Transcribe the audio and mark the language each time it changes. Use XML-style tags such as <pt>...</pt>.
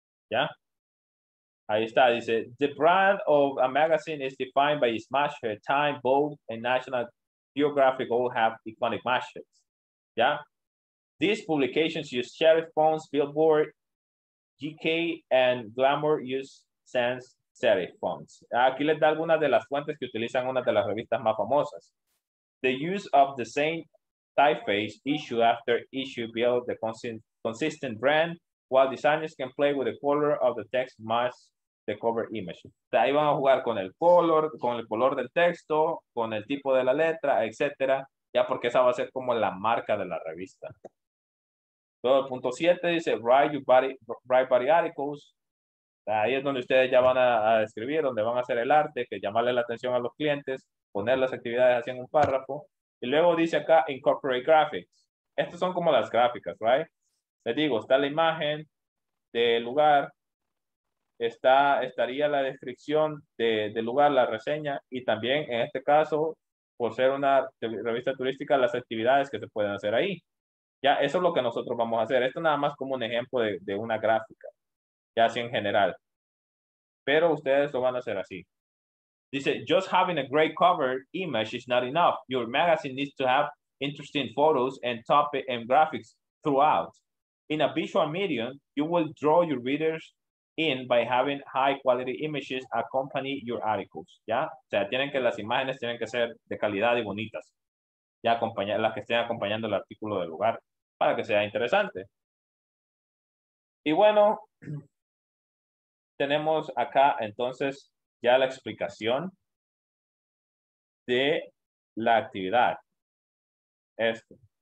<es>¿Ya? Ahí está, dice,</es> <en>the brand of a magazine is defined by its masthead, time, bold, and national geographic all have iconic masthead. Yeah. These publications use sheriff fonts, billboard, GK, and glamour use sans serif fonts.</en> <es>Aquí les da algunas de las fuentes que utilizan una de las revistas más famosas.</es> <en>The use of the same typeface issue after issue build the consistent brand, while designers can play with the color of the text mask the cover image.</en> <es>De ahí van a jugar con el color del texto, con el tipo de la letra, etcétera, ya porque esa va a ser como la marca de la revista. Luego el punto 7 dice,</es> <en>write body articles.</en> <es>Ahí es donde ustedes ya van a escribir, donde van a hacer el arte, que llamarle la atención a los clientes, poner las actividades así en un párrafo. Y luego dice acá,</es> <en>incorporate graphics.</en> <es>Estas son como las gráficas,</es> <en>right?</en> <es>Les digo, está la imagen del lugar, estaría la descripción del lugar, la reseña, y también en este caso, por ser una revista turística, las actividades que se pueden hacer ahí. Ya, eso es lo que nosotros vamos a hacer. Esto nada más como un ejemplo de una gráfica, ya así en general. Pero ustedes lo van a hacer así.</es> <en>Dice, just having a great cover image is not enough. Your magazine needs to have interesting photos and topic and graphics throughout. In a visual medium, you will draw your readers in by having high quality images accompany your articles.</en> <es>¿Ya? O sea, tienen que, las imágenes tienen que ser de calidad y bonitas. Ya acompañar, las que estén acompañando el artículo del lugar para que sea interesante. Y bueno, tenemos acá entonces ya la explicación de la actividad. Esto.</es>